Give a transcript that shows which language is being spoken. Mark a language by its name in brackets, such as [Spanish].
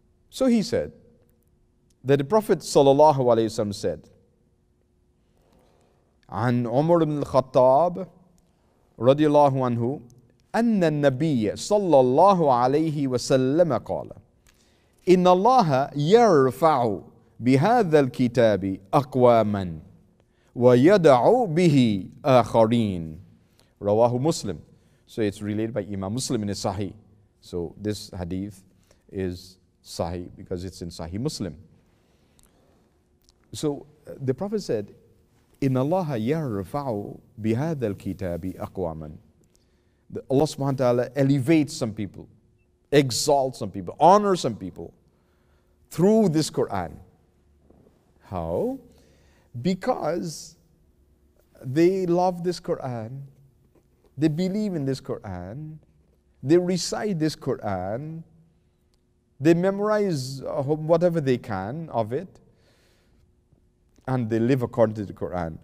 [English] So he said that the Prophet sallallahu alaihi wasallam said, [Arabic] "An Umar ibn al-Khattab radiyallahu anhu, anna an-nabiyya sallallahu alaihi wasallam qala, إن الله يرفع بهذا الكتاب أقواما ويدع به آخرين." رواه مسلم. [English] So it's related by Imam Muslim in his Sahih. So this hadith is Sahih because it's in Sahih Muslim. So the Prophet said, [Arabic] إن الله يرفع بهذا الكتاب أقواما. [English] Allah subhanahu wa ta'ala elevates some people, exalts some people, honors some people through this Quran. How? Because they love this Quran, they believe in this Quran, they recite this Quran, they memorize whatever they can of it, and they live according to the Quran.